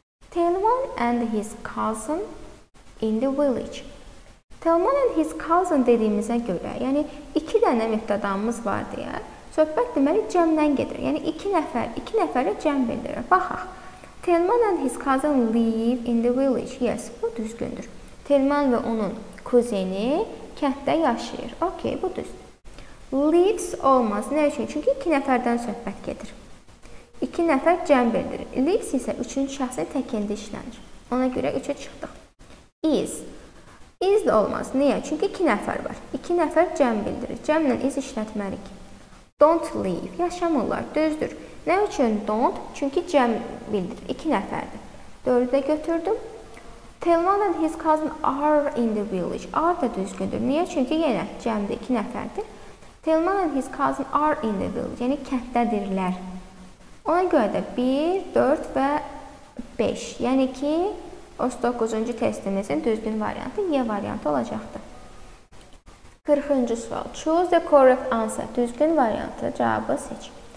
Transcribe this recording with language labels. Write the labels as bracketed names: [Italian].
[English] Telman and his cousin in the village. Telman and his cousin [Azerbaijani] dediyimizə görə, yəni iki dənə müftədamız var deyə, söhbət deməli cəmdən gedir. Yəni iki nəfərə cəm bildirir. Baxaq. [English] Telman and his cousin live in the village. [Azerbaijani] Yes, bu düzgündür. Telman və onun kuzeni kənddə yaşayır. Okey, bu düzdür. Lives olmaz. Nə üçün? Çünki iki nəfərdən söhbət gedir. İki nəfər cəm bildirir. Lives isə üçüncü şəxsi təkində işlənir. Ona görə üçə çıxdıq. Is. Is də olmaz. Niyə? Çünki iki nəfər var. İki nəfər cəm bildirir. Cəmlə is işlətməliyik. [English] Don't live. [Azerbaijani] Yaşamırlar. Düzdür. Nə üçün don't? Çünki cəm bildirir. İki nəfərdir. Dördü də götürdüm. [English] Telman and his cousin are in the village. [Azerbaijani] Are da düzgündür. Niyə? Çünki yenə cəmdə iki nəfərdir. [English] Telman and his cousin are in the village. [Azerbaijani] Yəni kənddədirlər. Ona görə də 1, 4 və 5. Yəni ki, 39-cu testimizin düzgün variantı Y variantı olacaqdır. 40-cı sual. [English] Choose the correct answer. [Azerbaijani] Düzgün variantı cavabı seç.